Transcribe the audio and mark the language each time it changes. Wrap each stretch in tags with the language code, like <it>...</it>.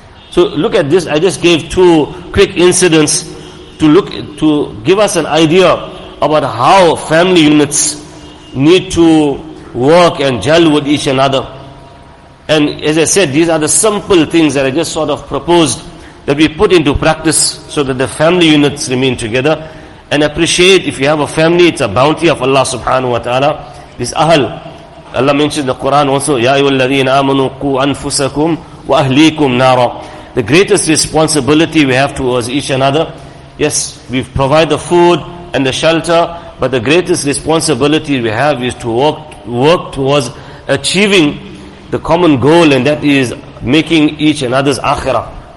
<en>So look at this. I just gave two quick incidents to give us an idea about how family units need to work and gel with each another. And as I said, these are the simple things that I just sort of proposed that we put into practice so that the family units remain together. And appreciate, if you have a family, it's a bounty of Allah subhanahu wa ta'ala. This ahl, Allah mentions the Quran also,</en> <ar>يَا أَيُّهَا الَّذِينَ آمَنُوا قُوا أَنفُسَكُمْ وَأَهْلِيكُمْ نَارًا.</ar> <en>The greatest responsibility we have towards each another, yes, we provide the food and the shelter, but the greatest responsibility we have is to work towards achieving the common goal, and that is making each another's akhirah.</en>